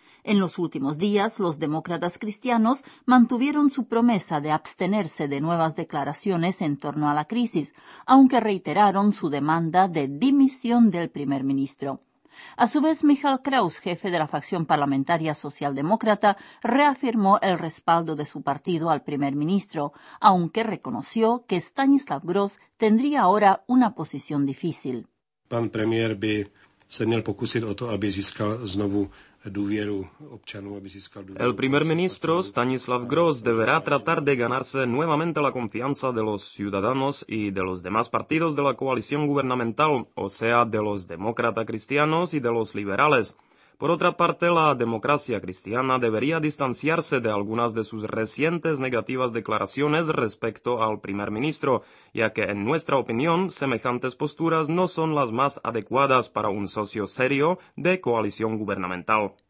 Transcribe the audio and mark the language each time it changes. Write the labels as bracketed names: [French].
[Spanish] En los últimos días, los demócratas cristianos mantuvieron su promesa de abstenerse de nuevas declaraciones en torno a la crisis, aunque reiteraron su demanda de dimisión del primer ministro. A su vez, Michal Kraus, jefe de la facción parlamentaria socialdemócrata, reafirmó el respaldo de su partido al primer ministro, aunque reconoció que Stanislav Gross tendría ahora una posición difícil. [Czech] Pan premier by se měl pokusit o to, aby získal znovu. [Spanish] El primer ministro Stanislav Gross deberá tratar de ganarse nuevamente la confianza de los ciudadanos y de los demás partidos de la coalición gubernamental, o sea, de los demócratas cristianos y de los liberales. Por otra parte, la democracia cristiana debería distanciarse de algunas de sus recientes negativas declaraciones respecto al primer ministro, ya que, en nuestra opinión, semejantes posturas no son las más adecuadas para un socio serio de coalición gubernamental.